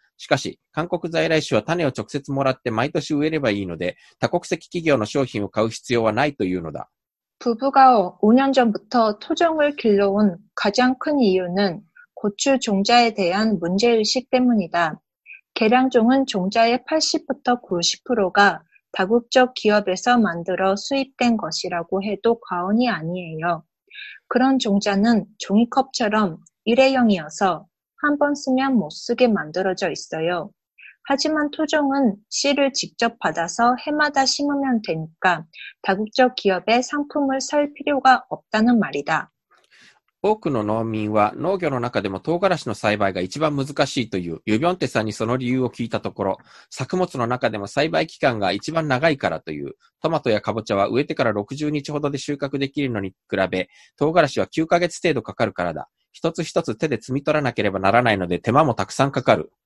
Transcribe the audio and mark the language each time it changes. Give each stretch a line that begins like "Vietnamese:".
Japanese: しかし、韓国在来種は種を直接もらって毎年植えればいいので、多国籍企業の商品を買う必要はないというのだ。夫婦が5年
Korean: 전부터토종을길러온가장큰이유는、고추종자에대한문제의식때문이다. 개량종은 종자의 80% 90% 가 다국적 기업에서 만들어 수입된 것이라고 해도 과언이 아니에요. 그런 종자는 종이컵처럼 일회용이어서 한 번 쓰면 못 쓰게 만들어져 있어요. 하지만 토종은 씨를 직접 받아서 해마다 심으면 되니까 다국적 기업에 상품을 살 필요가 없다는 말이다.
Japanese: 多くの農民は農業の中でも唐辛子の栽培が一番難しいというユビョンテさんにその理由を聞いたところ、作物の中でも栽培期間が一番長いからという、トマトやカボチャは植えてから60日ほどで収穫できるのに比べ唐辛子は9ヶ月程度かかるからだ、一つ一つ手で摘み取らなければならないので手間もたくさんかかる。